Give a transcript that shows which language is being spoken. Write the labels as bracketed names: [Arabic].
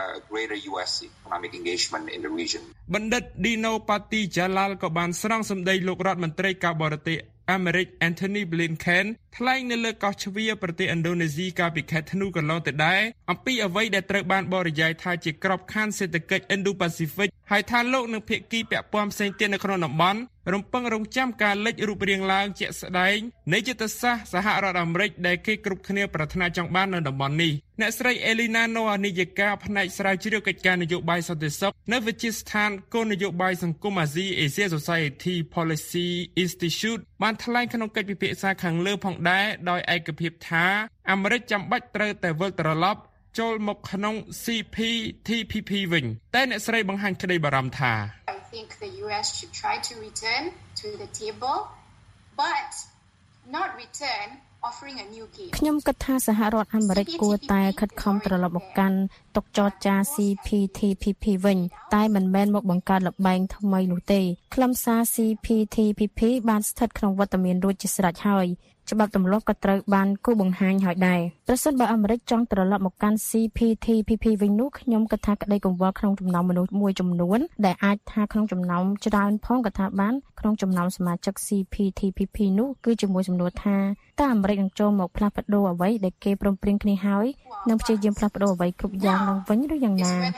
[English] greater US economic engagement in the region [Khmer] បណ្ឌិត Dino Patti Jalal ក៏បានស្រង់សម្ដីលោករដ្ឋមន្ត្រីការបរទេសអាមេរិក Anthony Blinken ថ្លែងនៅលើកោះជ្វាប្រទេសឥណ្ឌូនេស៊ីកាលពីខែធ្នូកន្លងទៅដែរអំពីអ្វីដែលត្រូវបានបរិយាយថាជាក្របខ័ណ្ឌសេដ្ឋកិច្ច Indo-Pacific ហើយថាលោកនឹងភាគីពាក់ព័ន្ធផ្សេងទៀតនៅក្នុងតំបន់រំពឹងរងចាំការលេចរូបរាងឡើងជាក់ស្ដែង នៃយុទ្ធសាស្ត្រសហរដ្ឋអាមេរិកដែលគេគ្រប់គ្នាប្រាថ្នាចង់បាននៅតំបន់នេះអ្នកស្រី Elena Noah នាយិកាផ្នែកស្រាវជ្រាវកិច្ចការនយោបាយសន្តិសុខនៅវិទ្យាស្ថានគោលនយោបាយសង្គមអាស៊ី Asia Society Policy Institute បានថ្លែងក្នុងកិច្ចពិភាក្សាខាងលើផងដែរដោយឯកភាពថាអាមេរិកចាំបាច់ត្រូវតែវិលត្រឡប់ចូលមកក្នុង CPTPP វិញតែអ្នកស្រីបង្ហាញក្តីបារម្ភថា [English] I think the US should try to return to the table but not return offering a new game [Khmer] ខ្ញុំគិតថាសហរដ្ឋអាមេរិកគួរតែខិតខំត្រឡប់មកកាន់ទុកចរចា CPTPP វិញតែមិនមែនមកបង្កើតលបែងថ្មីនោះទេខ្លឹមសារ CPTPP បានស្ថិតក្នុងវត្តមានរួចជាស្រេចហើយ ច្បាប់ទម្លាប់ក៏ត្រូវបានគូបង្ហាញហើយដែរប្រសិនបើអាមេរិកចង់ត្រឡប់មកកាន់ CPTPP វិញនោះខ្ញុំគិតថាក្តីកង្វល់ក្នុងចំណោមមនុស្សមួយចំនួនដែលអាចថាក្នុងចំណោមច្រើនផងក៏ថាបានក្នុងចំណោមសមាជិក CPTPP នោះគឺជាមួយសំណួរថាតើអាមេរិកនឹងចូលមកផ្លាស់ប្ដូរអ្វីដែលគេព្រមព្រៀងគ្នាហើយនឹងព្យាយាមផ្លាស់ប្ដូរអ្វីគ្រប់យ៉ាងឡើងវិញឬយ៉ាងណា